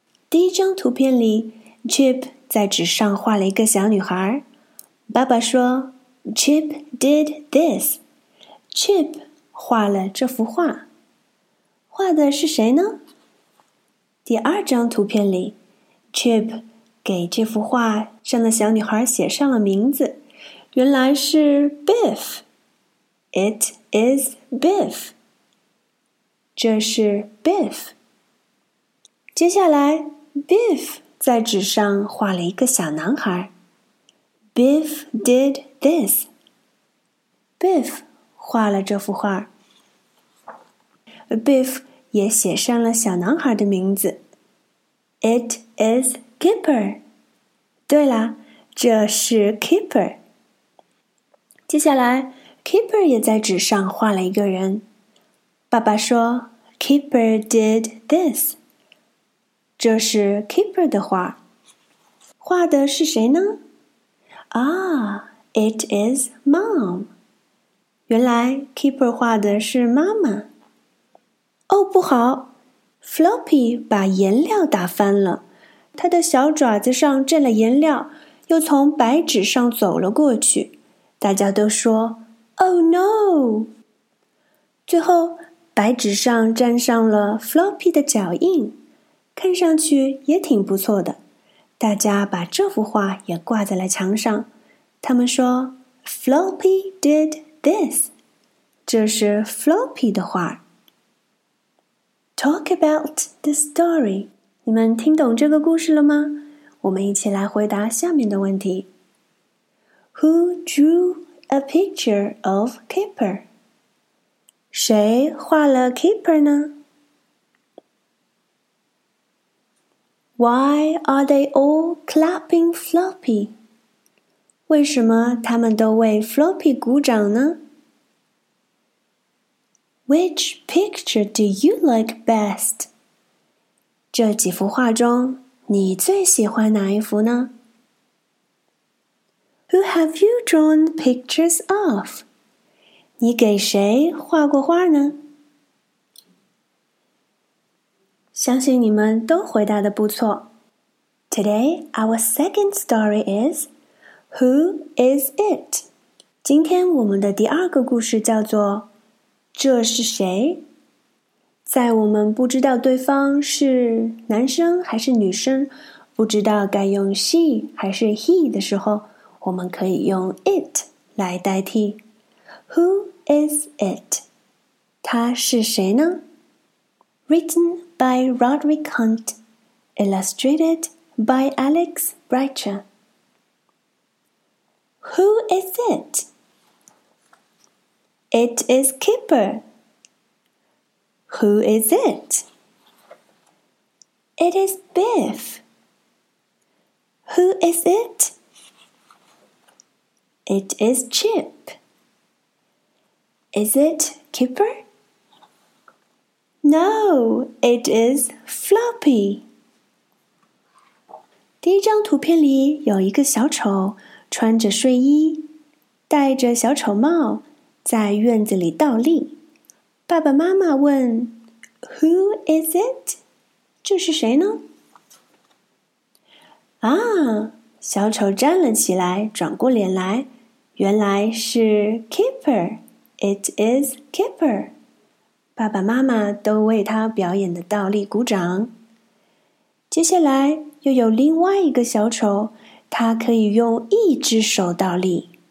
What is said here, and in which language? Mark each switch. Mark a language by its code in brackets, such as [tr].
[zh] 第一张图片里 ,Chip 在纸上画了一个小女孩。爸爸说 [en] ,Chip did this. [zh] Chip画了这幅画，画的是谁呢？第二张图片里 ，Chip 给这幅画上的小女孩写上了名字，原来是 Biff。 [en] It is Biff。 [zh] 这是 [en] Biff。 [zh] 接下来 ，Biff 在纸上画了一个小男孩。 [en] Biff did this。 Biff [zh] 画了这幅画。 Biff 也写上了小男孩的名字。 [en] It is Kipper. [zh] 对啦，这是 Kipper. 接下来 ,Kipper 也在纸上画了一个人。爸爸说 [en] ,Kipper did this. [zh] 这是 Kipper 的画。画的是谁呢？啊 , [en] It is Mom. [zh] 原来 ,Kipper 画的是妈妈。哦，不好 ,Floppy 把颜料打翻了，他的小爪子上沾了颜料，又从白纸上走了过去。大家都说 , [en] Oh no! [zh] 最后白纸上沾上了 Floppy 的脚印，看上去也挺不错的。大家把这幅画也挂在了墙上，他们说 , [en] Floppy did this! [zh] 这是 Floppy 的画。 [en] Talk about the story. [zh] 你们听懂这个故事了吗？我们一起来回答下面的问题。 [en] Who drew a picture of Kipper? [zh] 谁画了 Kipper 呢？ [en] Why are they all clapping Floppy? [zh] 为什么他们都为 Floppy 鼓掌呢？ [en] Which picture do you like best? [zh] 这几幅画中，你最喜欢哪一幅呢？ [en] Who have you drawn pictures of? [zh] 你给谁画过画呢？相信你们都回答得不错。 [en] Today, our second story is, Who is it? [zh] 今天我们的第二个故事叫做这是谁？在我们不知道对方是男生还是女生，不知道该用 she 还是 he 的时候，我们可以用 it 来代替。 [en] Who is it? [zh] 他是谁呢？ [en] Written by Roderick Hunt. Illustrated by Alex Brecher. Who is it? It is Kipper. Who is it? It is Biff. Who is it? It is Chip. Is it Kipper? No, it is Floppy. [zh] 第一张图片里有一个小丑，穿着睡衣，戴着小丑帽，在院子里倒立。爸爸妈妈问 [en] ,Who is it? [zh] 这是谁呢？啊，小丑站了起来，转过脸来，原来是 Kipper。 [en] It is Kipper. [zh] 爸爸妈妈都为他表演的倒立鼓掌。接下来又有另外一个小丑，他可以用一只手倒立。